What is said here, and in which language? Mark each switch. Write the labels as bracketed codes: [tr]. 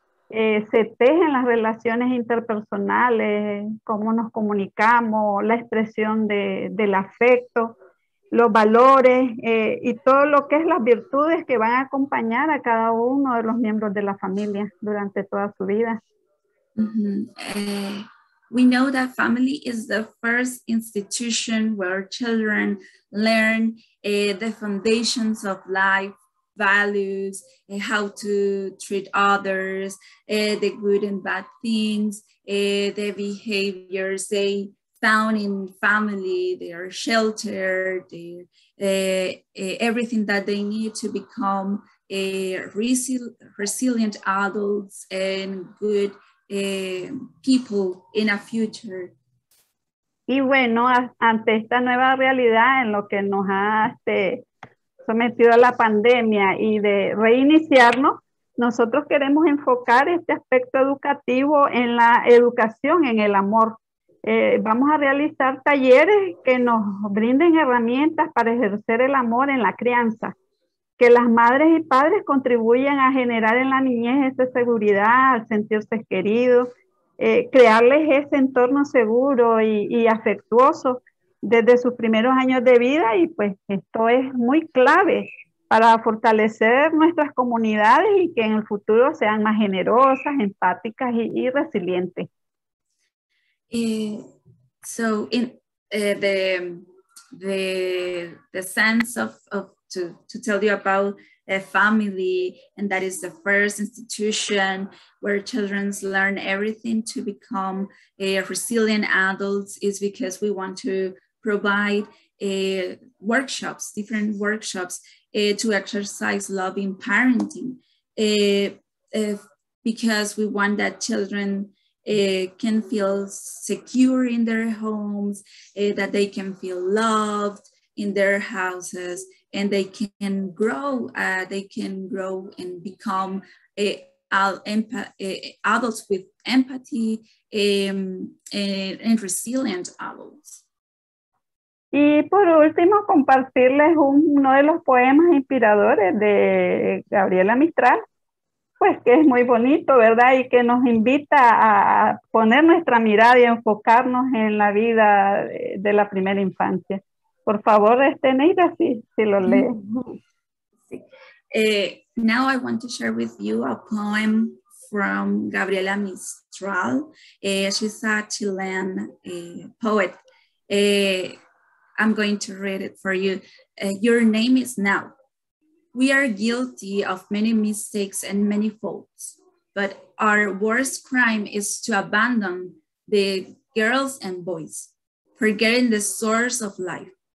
[es] Se tejen las relaciones interpersonales, cómo nos comunicamos, la expresión del afecto, los valores y todo lo que es las virtudes que van a acompañar a cada uno de los miembros de la familia durante toda su vida. Mm-hmm. [en] We know that family is the first institution where children learn the foundations of life. Values, how to treat others, the good and bad things, the behaviors they found in family, their shelter, everything that they need to become a resilient adults and good people in a future. [es] Y bueno, ante esta nueva realidad en lo que nos ha sometido a la pandemia y de reiniciarnos, nosotros queremos enfocar este aspecto educativo en la educación, en el amor. Vamos a realizar talleres que nos brinden herramientas para ejercer el amor en la crianza. que las madres y padres contribuyen a generar en la niñez esa seguridad, al sentirse queridos, crearles ese entorno seguro y afectuoso desde sus primeros años de vida, y pues esto es muy clave para fortalecer nuestras comunidades y que en el futuro sean más generosas, empáticas y resilientes. [en] So in the sense of to tell you about a family, and that is the first institution where children learn everything to become a resilient adults, is because we want to provide workshops, different workshops to exercise loving parenting, because we want that children can feel secure in their homes, that they can feel loved in their houses, and they can grow. They can grow and become adults with empathy and resilient adults. [es] Y por último, compartirles uno de los poemas inspiradores de Gabriela Mistral, pues que es muy bonito, ¿verdad? Y que nos invita a poner nuestra mirada y enfocarnos en la vida de la primera infancia. Por favor, Neira, si lo lee. Sí. [en] Now I want to share with you a poem from Gabriela Mistral. She's a Chilean poet. I'm going to read it for you. Your name is now. We are guilty of many mistakes and many faults, but our worst crime is to abandon the girls and boys, forgetting the source of life.